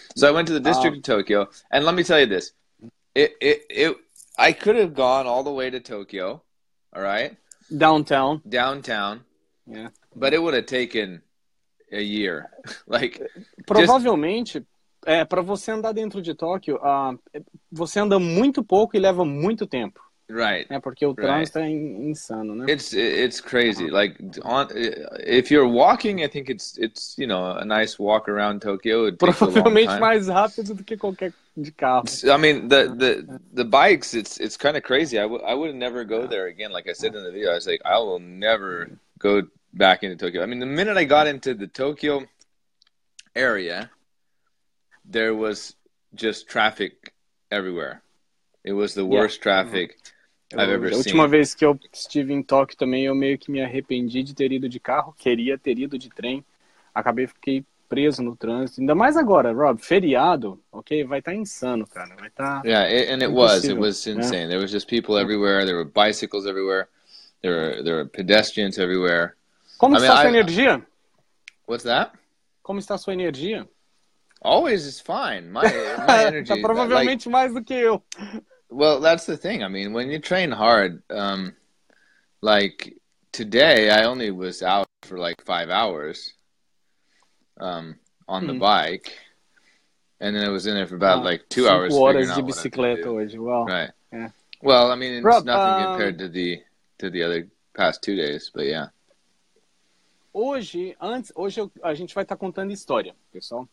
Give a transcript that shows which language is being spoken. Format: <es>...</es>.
<en>So I went to the district of Tokyo, and let me tell you this: I could have gone all the way to Tokyo, all right? Downtown. Yeah. But it would have taken a year, like.</en> <pt>Provavelmente, para você andar dentro de Tóquio, você anda muito pouco e leva muito tempo.</pt> <en>Right.</en> <pt>É porque o trânsito é insano, né?</pt> <en>It's crazy. Like if you're walking, I think it's you know, a nice walk around Tokyo. It</en> <pt>provavelmente mais rápido do que qualquer de carro.</pt> <en>I mean, the bikes, it's kind of crazy. I would never go there again. Like I said in the video, I was like, I will never go back into Tokyo. I mean, the minute I got into the Tokyo area, there was just traffic everywhere. It was the worst traffic I've ever seen.</en> <pt>A última vez que eu estive em Tóquio também, eu meio que me arrependi de ter ido de carro. Queria ter ido de trem. Fiquei preso no trânsito. Ainda mais agora, Rob, feriado, ok? Vai estar insano, cara. Vai estar.</pt> <en>Yeah, and it was. It was insane. Yeah. There was just people everywhere. There were bicycles everywhere. There were pedestrians everywhere.</en> <pt>Como está sua energia?</pt> <en>What's that?</en> <pt>Como está sua energia?</pt> <en>Always is fine. My energy.</en> <pt>Tá provavelmente mais do que eu.</pt> <en>Well, that's the thing. I mean, when you train hard, like today, I only was out for like 5 hours on the bike, and then I was in there for about like 2 hours. 5 hours</en> <pt>de bicicleta hoje.</pt> <en>Well, right. Yeah. Well, I mean, it's Rob, nothing compared to the other past 2 days, but yeah.</en> <pt>Hoje a gente vai estar contando história, pessoal.</pt>